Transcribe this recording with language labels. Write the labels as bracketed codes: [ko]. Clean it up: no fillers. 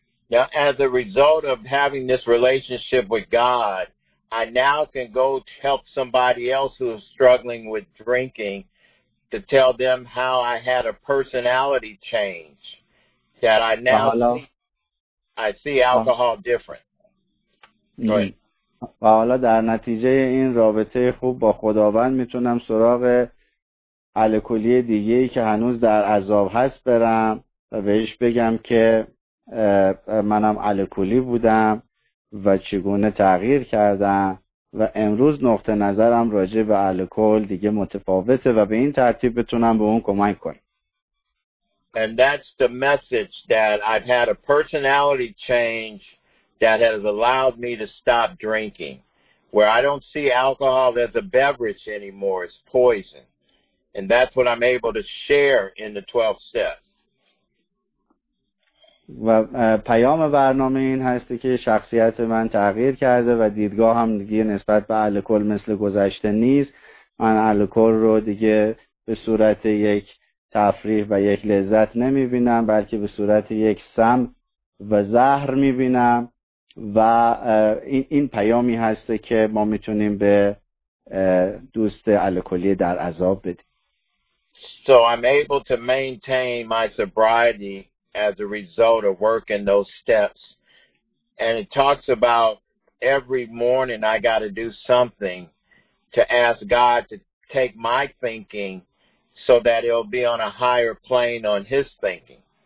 [en] Now, as a result of having this relationship with God, I now can go to help somebody else who is struggling with drinking to tell them how I had a personality change, that I now see alcohol different. [fa] و حالا در نتیجه این رابطه خوب با خداوند میتونم سراغ الکلی دیگه ای که هنوز در عذاب هست برم و بهش بگم که منم الکلی بودم و چگونه تغییر کردم و امروز نقطه نظرم راجع به الکل دیگه متفاوته و به این ترتیب بتونم به اون کمک کنم. [en] And that's the message that I've had a personality change that has allowed me to stop drinking, where I don't see alcohol as a beverage anymore, it's poison. And that's what I'm able to share in the 12 steps. [fa] و پیام برنامه این هست که شخصیت من تغییر کرده و دیدگاه هم دیگه نسبت به الکل مثل گذشته نیست و من الکل رو دیگه به صورت یک تفریح و یک لذت نمیبینم، بلکه به صورت یک سم و زهر میبینم. و این پیامی هست که ما میتونیم به دوست الکلی در عذاب بدیم. [en] So I'm able to maintain my sobriety as a result of working those steps. And it talks about every morning I got to do something to ask God to take my thinking so that it'll be on a higher plane on his thinking.